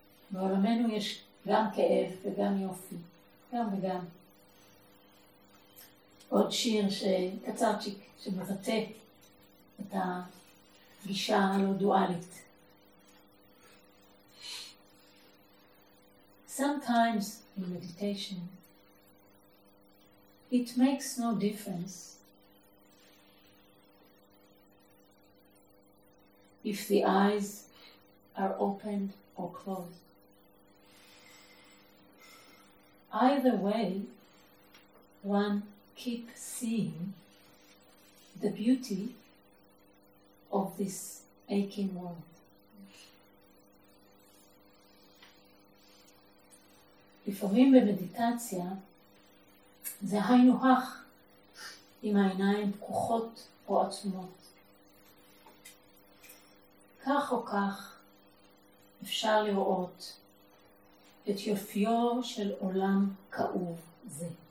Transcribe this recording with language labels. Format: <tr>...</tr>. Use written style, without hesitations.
<he>בעולמנו יש גם כאב וגם יופי, גם וגם. עוד שיר שקצרצ'יק, שמבטא את הגישה הלא דואלית.</he> <en>Sometimes in meditation, it makes no difference if the eyes are opened or closed. Either way, one keeps seeing the beauty of this aching world.</en> <he>לפעמים במדיטציה זה היינו הך עם העיניים פקוחות או עצומות. כך או כך אפשר לראות את יופיו של עולם כאוב זה.</he>